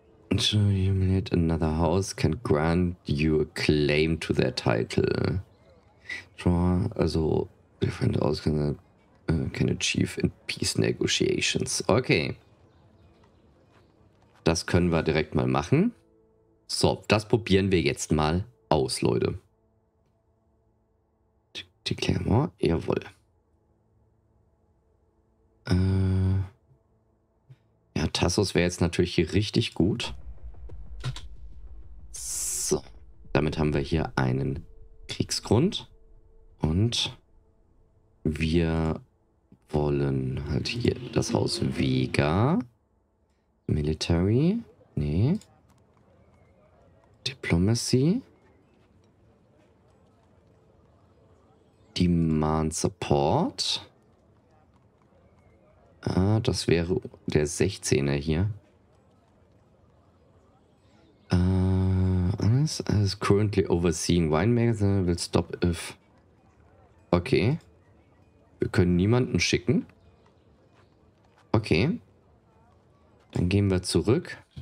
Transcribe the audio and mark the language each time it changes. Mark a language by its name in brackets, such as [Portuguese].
[English] To humiliate another house can grant you a claim to their title. Draw, also different outcomes can achieve in peace negotiations. Okay. [German] Das können wir direkt mal machen. So, das probieren wir jetzt mal aus, Leute. Die Claremore, jawohl. Ja, Tassos wäre jetzt natürlich hier richtig gut. So, damit haben wir hier einen Kriegsgrund. Und wir wollen halt hier das Haus Vega. [English] Military? Nee. Diplomacy? Demand Support? [German] Ah, das wäre der 16er hier. [English] Alles is currently overseeing winemakers and will stop if... Okay. [German] Wir können niemanden schicken. Okay. Dann gehen wir zurück